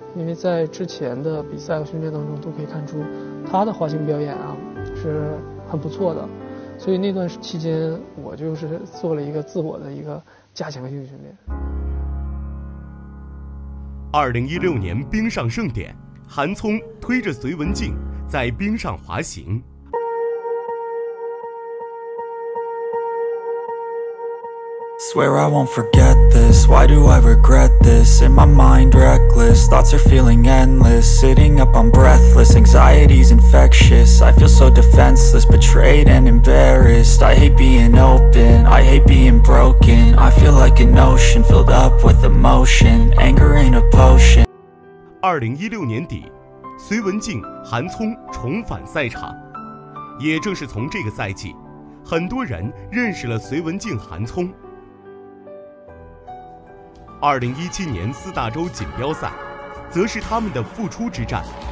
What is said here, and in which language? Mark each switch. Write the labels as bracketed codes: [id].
[zh] 因为在之前的比赛和训练当中都可以看出他的滑行表演啊是很不错的，所以那段期间我就是做了一个自我的一个加强性训练。 2016年冰上盛典，韩聪推着隋文静在冰上滑行。 [en] Swear I won't forget this. Why do I regret this? In my mind reckless, thoughts are feeling endless. Sitting up, I'm breathless. Anxiety's infectious. I feel so defenseless, betrayed and embarrassed. I hate being open. I hate being broken. I feel like an ocean filled up with emotion. Anger ain't a potion. [zh] 2016年底，隋文静、韩聪重返赛场。也正是从这个赛季，很多人认识了隋文静、韩聪。 2017年四大洲锦标赛，则是他们的复出之战。